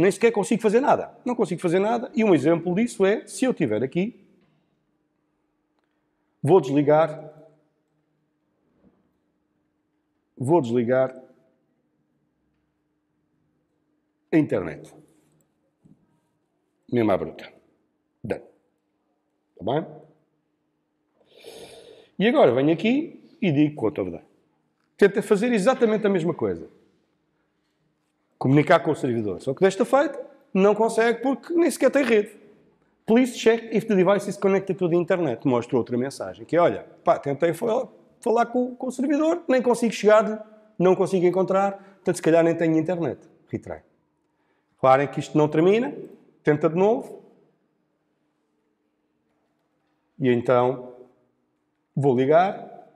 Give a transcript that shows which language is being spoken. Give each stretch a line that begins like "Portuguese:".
Portuguese: Nem sequer consigo fazer nada. Não consigo fazer nada. E um exemplo disso é, se eu estiver aqui, vou desligar a internet. Mesmo à bruta. Done. Está bem? E agora venho aqui e digo quanto a verdade. Tenta fazer exatamente a mesma coisa. Comunicar com o servidor. Só que desta feita não consegue porque nem sequer tem rede.
English: Please check if the device is connected to the internet.
Portuguese: Mostra outra mensagem. Que é, olha, pá, tentei falar com o servidor, nem consigo chegar-lhe, não consigo encontrar, portanto, se calhar nem tenho internet. Retry. Reparem que isto não termina. Tenta de novo. E então, vou ligar.